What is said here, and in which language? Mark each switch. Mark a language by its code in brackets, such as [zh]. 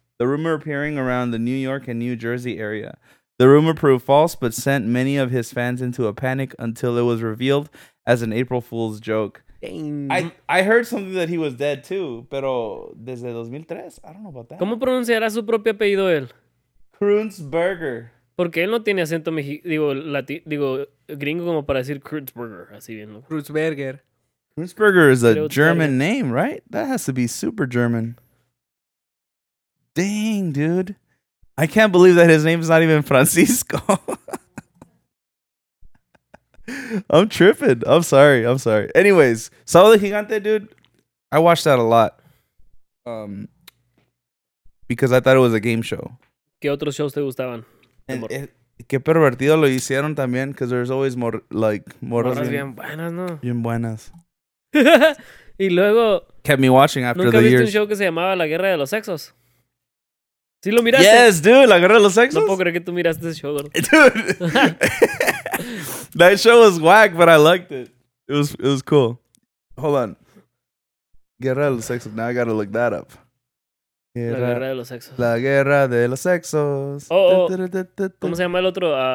[en] The rumor appearing around the New York and New Jersey area. The rumor proved false, but sent many of his fans into a panic until it was revealed as an April Fool's joke. I heard something that he was dead too, [es] pero desde 2003, [en] I don't know about that. [es] ¿Cómo pronunciará su propio apellido él? Krunzberger. Porque él no tiene acento gringo como para decir Krunzberger, así bien. Krunzberger. [en] Krunzberger is a German name, right? That has to be super German. Dang, dude. I can't believe that his name is not even Francisco. I'm tripping. I'm sorry. Anyways, Sábado Gigante, dude. I watched that a lot. Because I thought it was a game show. [es] ¿Qué otros shows te gustaban? Qué pervertido lo hicieron también, [en] because there's always [es] morras bien buenas, ¿no? Bien buenas. Y luego... [en] Kept me watching after the years. [es] ¿Nunca viste un show que se llamaba La Guerra de los Sexos? ¿Sí lo miraste? [en] Yes, dude, La Guerra de los Sexos. [es] No puedo creer que tú miraste ese show, gordo. [en] Dude. That show was whack, but I liked it. It was cool. Hold on. Guerra de los Sexos. Now I gotta look that up. [es] La guerra de los sexos. La guerra de los sexos. Oh, ¿cómo se llama el otro?